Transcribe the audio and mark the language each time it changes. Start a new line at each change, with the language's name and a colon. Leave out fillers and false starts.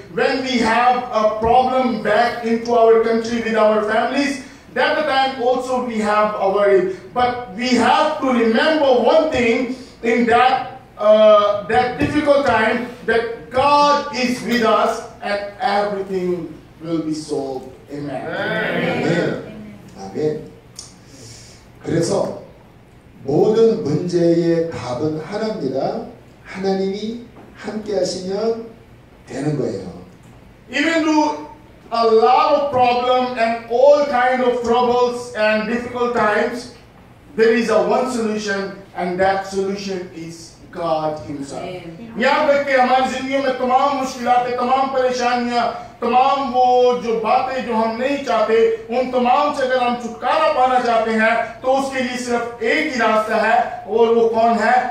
English: When we have a problem back into our country with our families, that time also we have a worry. But we have to remember one thing in that difficult time, that God is with us and everything will be solved. Amen. Amen. Amen. Amen.
Korean: 그래서 모든 문제의 답은 하나입니다. 하나님이 함께 하시면 되는 거예요.
English: Even though a lot of problems and all kind of troubles and difficult times, there is a one solution and that solution is God Himself.
Hindi: यहाँ तक कि हमारी जिंदगी में तमाम मुश्किलें, तमाम परेशानियां, तमाम वो जो बातें जो हम नहीं चाहते, उन तमाम से अगर हम छुटकारा पाना चाहते हैं तो उसके लिए सिर्फ एक ही रास्ता है और वो कौन है?